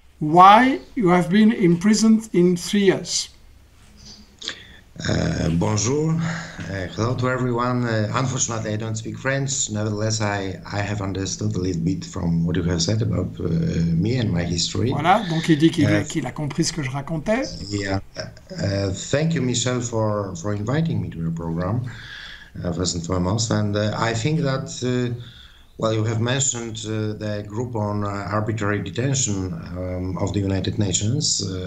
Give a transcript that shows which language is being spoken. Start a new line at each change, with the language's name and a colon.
English: Why you have been imprisoned in 3 years? Bonjour. Hello to everyone. Unfortunately, I don't speak French. Nevertheless, I have understood a little bit from what you have said about me and my history.
French: Voilà, donc il dit qu'il a compris ce que je racontais.
English: Thank you, Michel, for inviting me to your program, first and foremost. And I think that, well, you have mentioned the group on arbitrary detention of the United Nations.